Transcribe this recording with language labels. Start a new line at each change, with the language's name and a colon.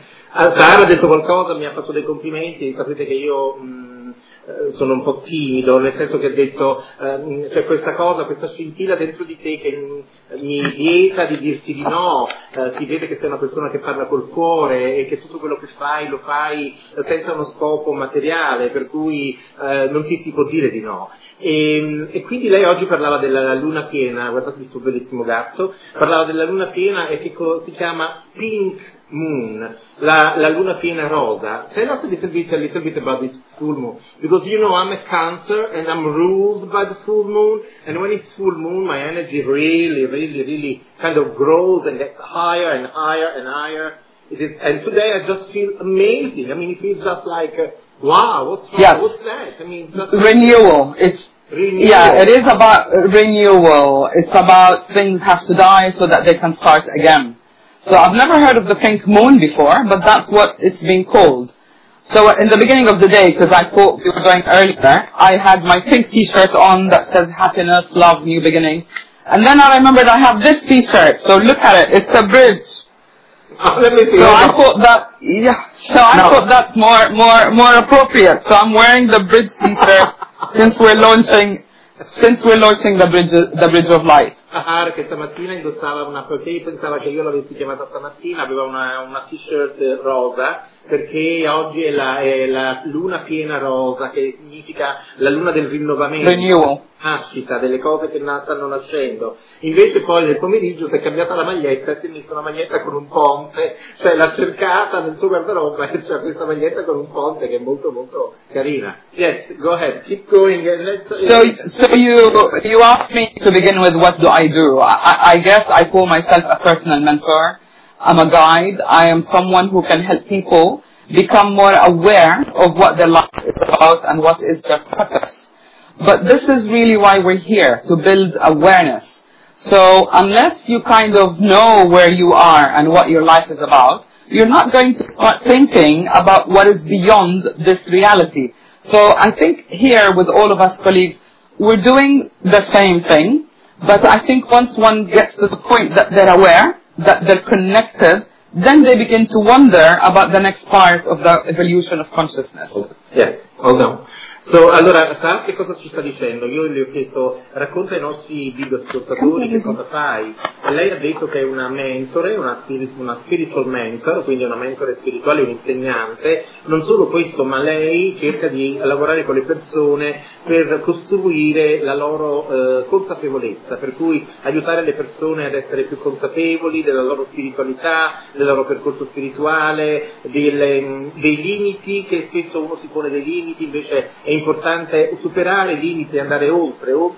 Italian: Sara ha detto qualcosa, mi ha fatto dei complimenti, sapete che io sono un po' timido, nel senso che ha detto c'è questa cosa, questa scintilla dentro di te che mi vieta di dirti di no, si vede che sei una persona che parla col cuore e che tutto quello che fai lo fai senza uno scopo materiale, per cui non ti si può dire di no. E quindi lei oggi parlava della luna piena, guardate il suo bellissimo gatto, parlava della luna piena e che si chiama Pink Moon, la luna piena rosa.
English: Tell us a little bit about this full moon, because you know I'm a Cancer and I'm ruled by the full moon, and when it's full moon my energy really, really, really kind of grows and gets higher and higher and higher. It is, and today I just feel amazing. I mean, it feels just like wow, what's wrong? Yes. What's that? I mean, that's renewal. It's renewal. Yeah, it is about renewal. It's about things have to die so that they can start again. So I've never heard of the pink moon before, but that's what it's been called. So in the beginning of the day, because I thought we were going earlier, I had my pink t-shirt on that says happiness, love, new beginning. And then I remembered I have this t-shirt. So look at it. It's a bridge. I thought that's more appropriate. So I'm wearing the bridge t-shirt since we're launching the bridge of light.
Italian: Ahar, che stamattina indossava una, perché pensava che io l'avessi chiamata stamattina, aveva una t-shirt rosa, perché oggi è la luna piena rosa, che significa la luna del rinnovamento,
English: renewal,
Italian: nascita, delle cose che stanno nascendo. Invece poi nel pomeriggio si è cambiata la maglietta e si è messa una maglietta con un ponte, cioè l'ha cercata nel suo guardaroba e c'è questa maglietta con un ponte che è molto molto carina.
English: Yes, go ahead, keep going. So you asked me to begin with, what do I do? I guess I call myself a personal mentor. I'm a guide. I am someone who can help people become more aware of what their life is about and what is their purpose. But this is really why we're here, to build awareness. So unless you kind of know where you are and what your life is about, you're not going to start thinking about what is beyond this reality. So I think here with all of us colleagues, we're doing the same thing. But I think once one gets to the point that they're aware, that they're connected, then they begin to wonder about the next part of the evolution of consciousness. Hold on.
Italian: So, allora, sa che cosa ci sta dicendo? Io gli ho chiesto, racconta ai nostri video ascoltatori che cosa fai. Lei ha detto che è una mentore, una
English: spiritual mentor,
Italian: quindi una mentore spirituale, un insegnante. Non solo questo, ma lei cerca di lavorare con le persone per costruire la loro consapevolezza, per cui aiutare le persone ad essere più consapevoli della loro spiritualità, del loro percorso spirituale, dei limiti, che spesso uno si pone dei limiti, invece è importante superare i limiti e andare oltre.